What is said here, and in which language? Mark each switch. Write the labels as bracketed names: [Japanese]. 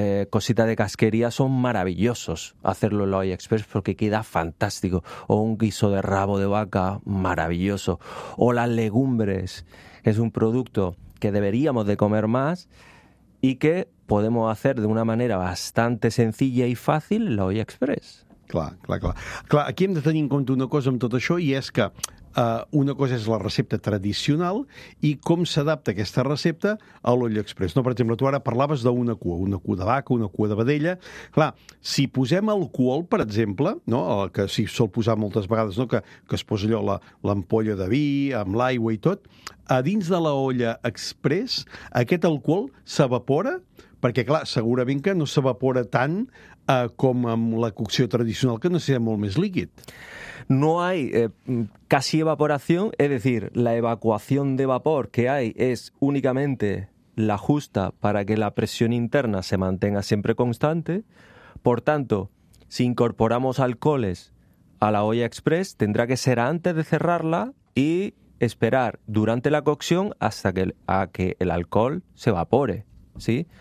[Spanish] Cosita de casquería, son maravillosos hacerlo en la olla express porque queda fantástico. O un guiso de rabo de vaca, maravilloso. O las legumbres, es un producto que deberíamos de comer más y que podemos hacer de una manera bastante sencilla y fácil en la olla express. [Catalan] Clar, clar, clar. Clar, aquí hem de tenir en compte una cosa amb tot això, i és que una cosa és la recepta tradicional i com s'adapta aquesta recepta a l'olla express. No, per exemple, tu ara parlaves d'una cua, una cua de vaca, una cua de vedella. Clar, si posem alcohol, per exemple, no, el que s'hi sol posar moltes vegades, no, que es posa allò, l'ampolla de vi, amb l'aigua i tot, a dins de l'olla express aquest alcohol s'evapora, perquè, clar, segurament que no s'evapora tant com amb la cocció tradicional, que necessita molt més líquid. [Spanish] No hay casi evaporación, es decir, la evacuación de vapor que hay es únicamente la justa para que la presión interna se mantenga siempre constante. Por tanto, si incorporamos alcoholes a la olla express, tendrá que ser antes de cerrarla y esperar durante la cocción hasta que el alcohol se evapore, ¿sí?